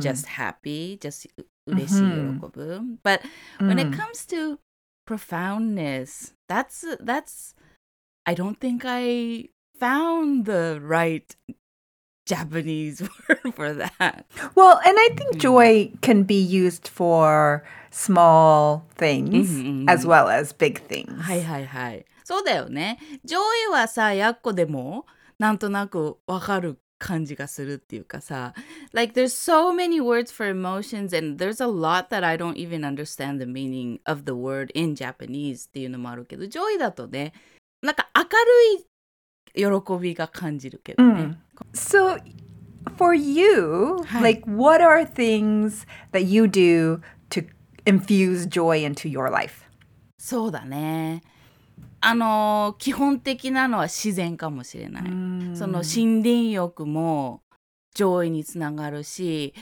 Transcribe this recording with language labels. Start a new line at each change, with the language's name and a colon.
English: just happy, just
Japanese: 嬉しい喜ぶ。
English: But when、mm. it comes to profoundness, that's I don't think Ifound the right Japanese word for that. Well, and I think joy can be used for small things as well as big things.
Japanese: はいはいはい。そうだよね。 joy はさ、やっこでもなんとなくわかる感じがするっていうかさ。
English: Like, there's so many words for emotions and there's a lot that I don't even understand the meaning of the word in Japanese
Japanese: っていうのもあるけど、joy だとね、なんか明るい喜びが感じるけどね。
English: So, for you,、はい、like, what are things that you do to infuse joy into your life?
Japanese: そうだね。基本的なのは自然かもしれない。 Mm. その森林浴も joy につながるし。